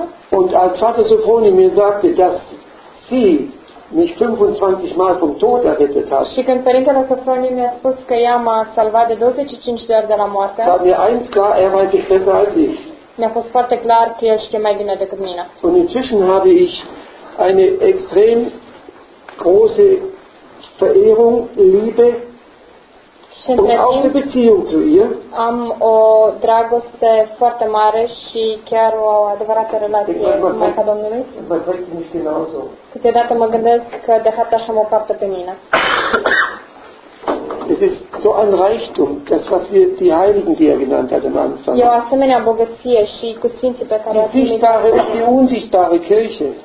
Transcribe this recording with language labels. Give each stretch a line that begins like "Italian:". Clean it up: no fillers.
German: Und als Vater Sofroni mir sagte, dass sie mich 25 Mal vom Tod errettet hat.
Romanian: Și când Părintele Sofronie mi-a spus că ea m-a salvat de 25 de ori de la moarte.
German: War mir eins klar, er weiß ich besser als ich.
Romanian: Mi-a fost foarte clar că el știe mai bine decât mine.
German: Und inzwischen habe ich eine extrem große Verehrung, Liebe und auch die Beziehung zu ihr.
Romanian: Am o dragoste foarte mare și chiar o adevărată relație cu Maica Domnului. Câteodată mă gândesc că de fapt așa mă poartă pe mine.
German: Es ist so ein Reichtum, das was wir die Heiligen, die er genannt hat am Anfang. Die sichtbare und die unsichtbare Kirche.